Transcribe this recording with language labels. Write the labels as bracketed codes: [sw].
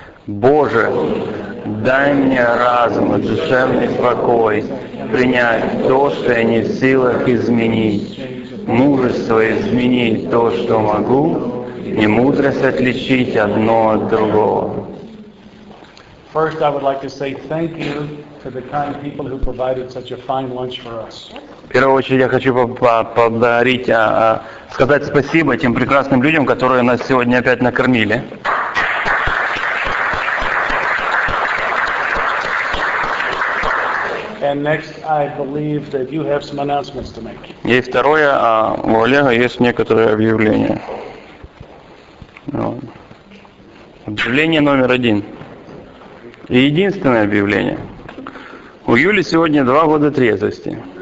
[ru] Боже, дай мне разум и душевный покой принять то, что я не в силах изменить, мужество изменить то, что могу, и мудрость отличить одно от другого. [en] First, I would like to say thank you to the kind people who provided such a fine lunch for us. [ru] В первую очередь я хочу поблагодарить, сказать спасибо тем прекрасным людям, которые нас сегодня опять накормили. [en] And next, I believe that you have some announcements to make. [ru] И второе, у Олега есть некоторые объявления. Объявление номер один. И единственное объявление. У Юли сегодня 2 года трезвости.